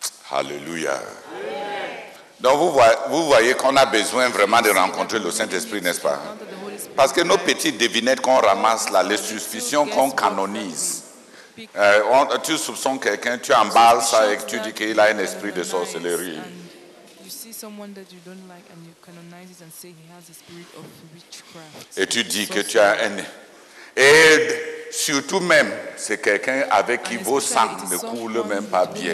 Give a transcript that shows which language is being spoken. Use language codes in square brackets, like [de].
[fr] Alléluia. Donc vous voyez qu'on a besoin vraiment de rencontrer le Saint-Esprit, n'est-ce pas? Parce que nos petites devinettes qu'on ramasse là, les suspicions qu'on canonise, tu soupçons quelqu'un, tu emballes ça et tu dis qu'il a un esprit de sorcellerie. [en] Someone that you don't like and you canonize it and say he has a spirit of witchcraft. [fr] Et tu dis que tu as un. Et surtout même, c'est quelqu'un avec qui vos sang ne coule même pas bien.